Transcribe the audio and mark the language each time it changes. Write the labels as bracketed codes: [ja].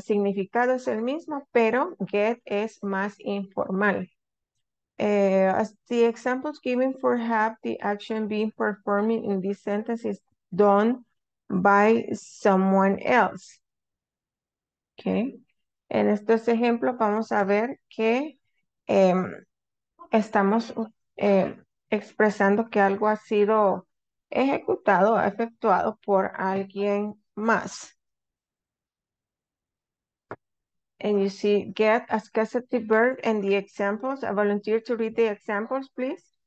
[es] Significado es el mismo, pero get es más informal. [en] As the examples given for have, the action being performed in this sentence is done by someone else. Okay. [es] En estos ejemplos vamos a ver que estamos expresando que algo ha sido ejecutado, efectuado por alguien más. [en] And you see get as causative verb and the examples. I volunteer to read the examples, please.